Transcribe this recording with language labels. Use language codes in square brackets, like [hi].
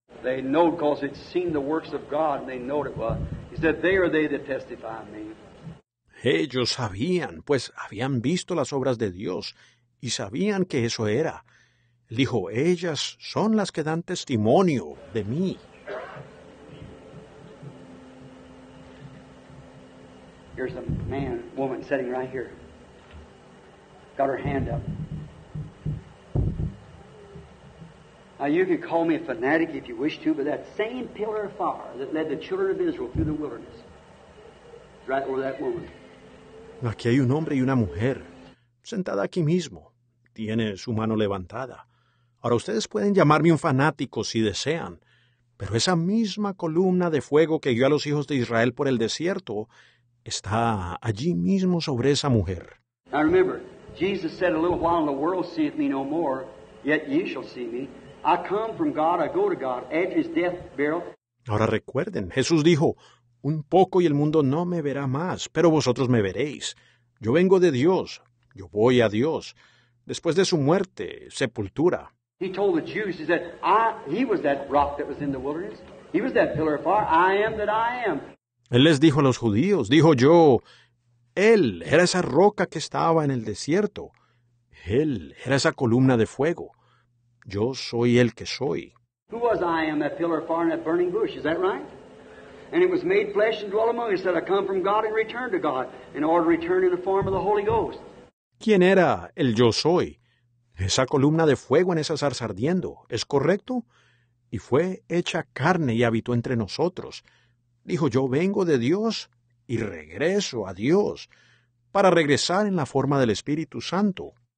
[en] They know because it's seen the works of God and they know it was. He said, they are they that testify of me. [es] Ellos sabían, pues habían visto las obras de Dios y sabían que eso era. Él dijo, ellas son las que dan testimonio de mí. [en] Here's a man, woman sitting right here. Got her hand up. Now you can call me a fanatic if you wish to, but that same pillar of fire that led the children of Israel through the wilderness is right over that woman. [es] Aquí hay un hombre y una mujer sentada aquí mismo. Tiene su mano levantada. Ahora ustedes pueden llamarme un fanático si desean, pero esa misma columna de fuego que guió a los hijos de Israel por el desierto está allí mismo sobre esa mujer. [en] Now remember, Jesus said, a little while and the world seeth me no more, yet ye shall see me. I come from God, I go to God, edge is death, burial. [es] Ahora recuerden, Jesús dijo, un poco y el mundo no me verá más, pero vosotros me veréis. Yo vengo de Dios, yo voy a Dios. Después de su muerte, sepultura. [en] He told the Jews, he said, he was that rock that was in the wilderness. He was that pillar of fire, I am that I am. [es] Él les dijo a los judíos, dijo yo, él era esa roca que estaba en el desierto. Él era esa columna de fuego. Yo soy el que soy. [en] Who was I am, that pillar of fire in that burning bush, is that right? And it was made flesh and dwelt among us, that I come from God and return to God, in order to return in the form of the Holy Ghost. [es] ¿Quién era el yo soy? Esa columna de fuego en esa zarza ardiendo, ¿es correcto? Y fue hecha carne y habitó entre nosotros. Dijo, yo vengo de Dios y regreso a Dios para regresar en la forma del Espíritu Santo.